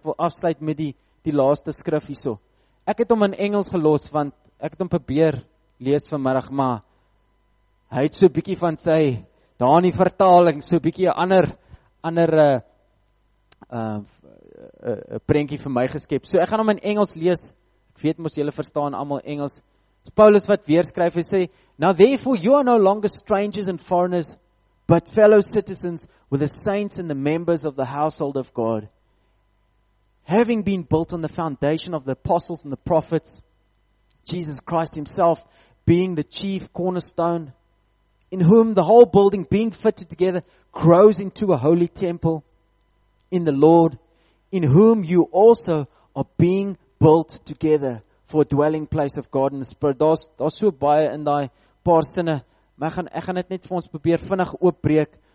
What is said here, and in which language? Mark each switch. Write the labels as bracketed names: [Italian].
[Afrikaans] Ek wil afsluit met die laaste skrif hierso. Ek het hom in Engels gelos, want ek het hom probeer lees vanmiddag, maar hy het so bietjie van sy, daar in die vertaling, so bietjie prentjie vir my geskep, so ek gaan hom in Engels lees. Ek weet mos julle verstaan allemaal Engels. Paulus wat weer skryf, hy sê, [English] now therefore you are no longer strangers and foreigners, but fellow citizens with the saints and the members of the household of God, having been built on the foundation of the apostles and the prophets, Jesus Christ himself being the chief cornerstone, in whom the whole building being fitted together grows into a holy temple in the Lord, in whom you also are being built together for dwelling place of God in the Spirit. [Afrikaans] Daar's so baie in daai paar sinne. Maar ek gaan dit net vir ons probeer vinnig oopbreek.